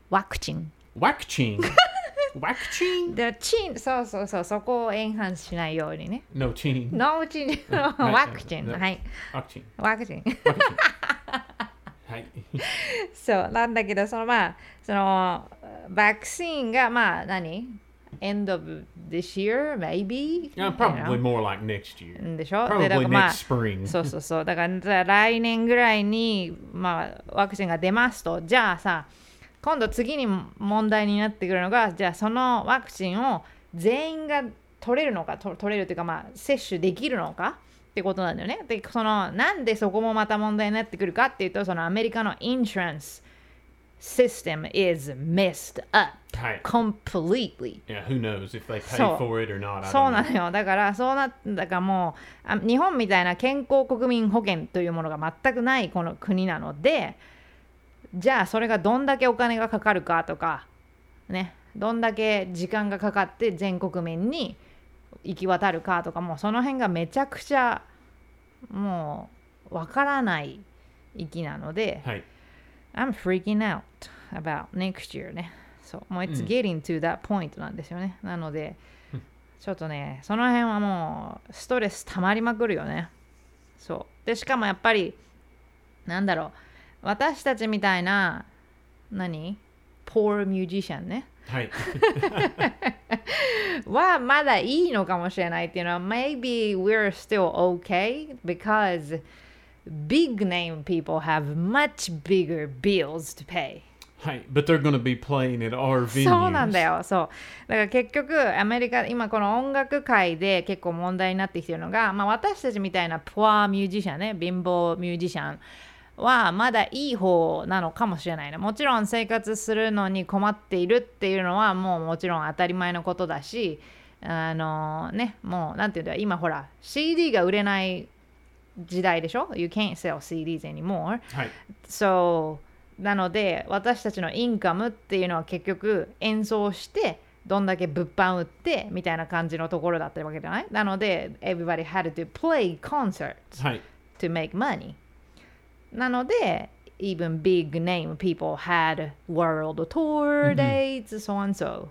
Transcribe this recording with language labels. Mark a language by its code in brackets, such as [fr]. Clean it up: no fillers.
[ja] ワクチン。ワクチン。ワクチン。で、チン。そうそうそう。そこをエンハンスしないようにね。 No チン。 No チン。ワクチン。はい。ワクチン。ワクチン。はい。そう。なんだけど、そのまあ、その、 [en] vaccine [ja] が、まあ、何 [en] End of this year, maybe? Yeah, probably more like next year. [ja] でしょ? [en] Probably [ja] で、だから、まあ、 [en] next spring. [ja] そうそうそう。だから、来年ぐらいに、まあ、ワクチンが出ますと、じゃあさ、今度次に問題になってくるのが、じゃあそのワクチンを全員が取れるのか、取れるというか、まあ、接種できるのかってことなんだよね。で、その、なんでそこもまた問題になってくるかっていうと、そのアメリカのインシュランス、 [en] System is messed up completely. Yeah, who knows if they pay for it or not? [ja] そうなのよ。だからそうなだからもう日本みたいな健康国民保険というものが全くないこの国なので、じゃあそれがどんだけお金がかかるかとかね、どんだけ時間がかかって全国民に行き渡るかとかもうその辺がめちゃくちゃもうわからない域なので。はい。 [en] I'm freaking out about next year ね。 [ja] そう、もう [en] it's getting to that point [ja] なんですよね。なので、ちょっとね、その辺はもうストレス溜まりまくるよね。そう。で、しかもやっぱり、なんだろう、私たちみたいな、何 ?poor musician ね。はい。はまだいいのかもしれないっていうのは、 [en] maybe we're still okay because... Big name people have much bigger bills to pay. Hey, but they're going to be playing at our venues. [ja] そうなんだよ。そう。だから結局アメリカ今この音楽界で結構問題になってきてるのが、まあ私たちみたいなpoor musicianね、貧乏ミュージシャンはまだいい方なのかもしれないね。もちろん生活するのに困っているっていうのはもうもちろん当たり前のことだし、ね、もうなんていうんだ、今ほら CD が売れない。時代でしょ? [en] You can't sell CDs anymore. [ja] はい。 So, なので、私たちのインカムっていうのは結局演奏して、どんだけ物販売って、みたいな感じのところだったわけじゃない? なので、 [en] everybody had to play concerts、 [ja] はい、 [en] to make money. [ja] なので、 [en] even big name people had world tour dates, so and so.